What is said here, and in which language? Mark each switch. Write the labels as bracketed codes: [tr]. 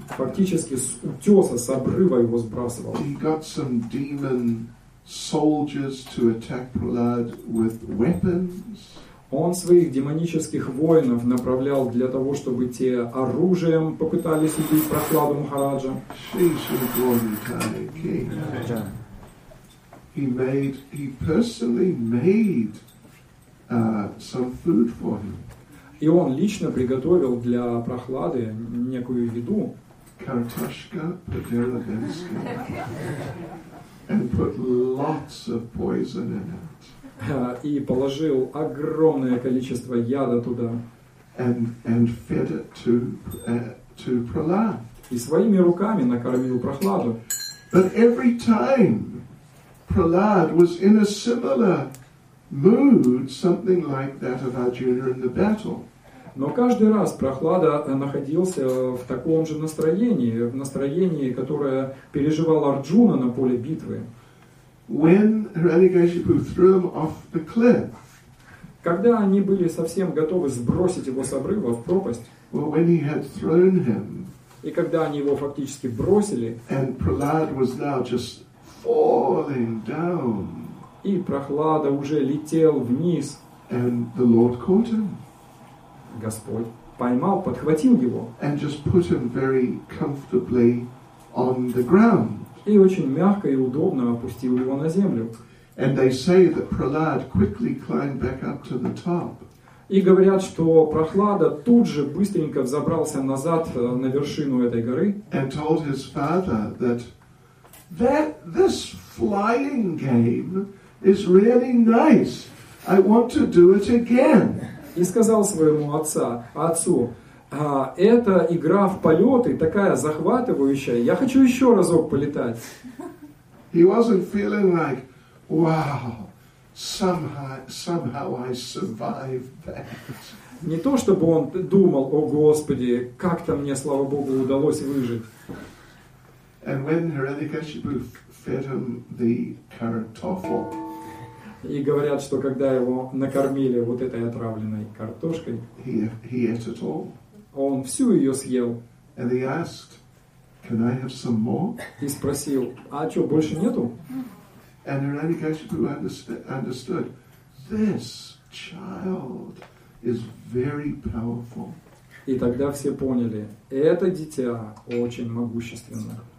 [ru] Фактически с утеса, с обрыва его сбрасывал. [en] He got some demon soldiers to attack Prahlad with weapons. [ru] Он своих демонических воинов направлял для того, чтобы те оружием попытались убить Прахлада Махараджа. [en] He personally made some food for him. [ru] И он лично приготовил для Прохлады некую еду. Картошка по-деревенски. [en] And put lots of poison in it. [ru] И положил огромное количество яда туда. [en] And fed it to Prahlad. [ru] и своими руками накормил Прохладу. [en] But every time Prahlad was in a similar mood, something like that of Arjuna in the battle. [ru] Но каждый раз Прохлада находился в таком же настроении, в настроении, которое переживал Арджуна на поле битвы. [en] When Hiranyakashipu threw him off the cliff. [ru] Когда они были совсем готовы сбросить его с обрыва в пропасть. [en] Well, when he had thrown him. [ru] И когда они его фактически бросили. [en] And Prahlad was now just falling down. [ru] И Прохлада уже летел вниз. [en] And the Lord caught him. [ru] Господь поймал, подхватил его. [en] And just put him very comfortably on the ground. [ru] И очень мягко и удобно опустил его на землю. [en] And they say that Prahlad quickly climbed back up to the top. [ru] И говорят, что Прохлада тут же быстренько взобрался назад на вершину этой горы. [en] And told his father that this flying game is really nice. I want to do it again. [ru] И сказал своему отцу, эта игра в полеты такая захватывающая, я хочу еще разок полетать. [en] He wasn't feeling like, wow, somehow I survived that. [ru] Не то, чтобы он думал, о Господи, как-то мне, слава Богу, удалось выжить. [en] And when Hiranyakashipu fed him the kartoffel, [ru] и говорят, что когда его накормили вот этой отравленной картошкой, [en] he ate it all. [ru] Он всю ее съел. [en] And he asked, can I have some more? [ru] И спросил, а что, больше нету? [en] And Hiranyakashipu understood, this child is very powerful. [ru] И тогда все поняли, это дитя очень могущественно.